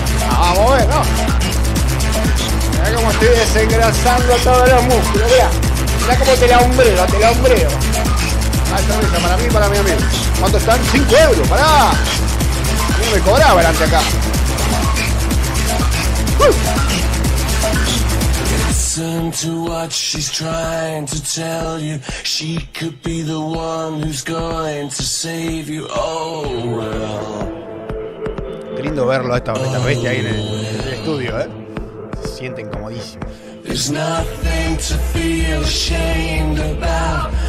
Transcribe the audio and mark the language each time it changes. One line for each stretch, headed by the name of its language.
Spanish: Vamos a ver, ¿no? Mirá cómo estoy desengrasando todos los músculos, mirá cómo te la hombreo. Alta risa, para mí y para mi amigo. ¿Cuánto están? 5 euros, pará. No me cobraba delante acá.
English: Listen to what she's trying to tell you. She could be the one who's going to save you. Oh well.
Spanish: Qué lindo verlo esta bestia ahí en el estudio, ¿eh? Se siente incomodísimo.
English: There's nothing to feel ashamed about.